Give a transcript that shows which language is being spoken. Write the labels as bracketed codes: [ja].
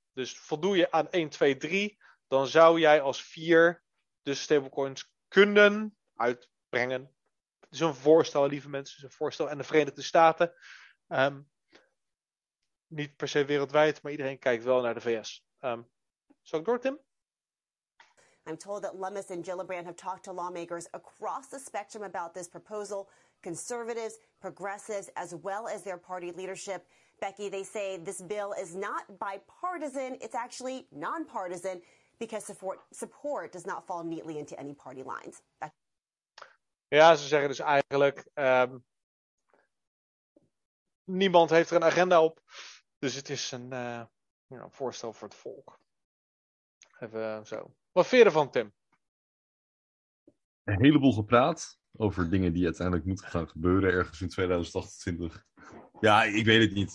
[nl] Dus voldoe je aan 1, 2, 3. Dan zou jij als 4 de stablecoins kunnen uitbrengen. Het is een voorstel, lieve mensen. Het is een voorstel. En de Verenigde Staten. Niet per se wereldwijd, maar iedereen kijkt wel naar de VS. Zal ik door, Tim? [en] I'm told that Lummis and Gillibrand have talked to lawmakers across the spectrum about this proposal. Conservatives, progressives, as well as their party leadership. Becky, they say this bill is not bipartisan. It's actually nonpartisan because support does not fall neatly into any party lines. [nl] Ja, ze zeggen dus eigenlijk, niemand heeft er een agenda op. Dus het is een voorstel voor het volk. Even zo. Wat vind je ervan, Tim? Een heleboel gepraat over dingen die uiteindelijk moeten gaan gebeuren ergens in 2028. Ja, ik weet het niet.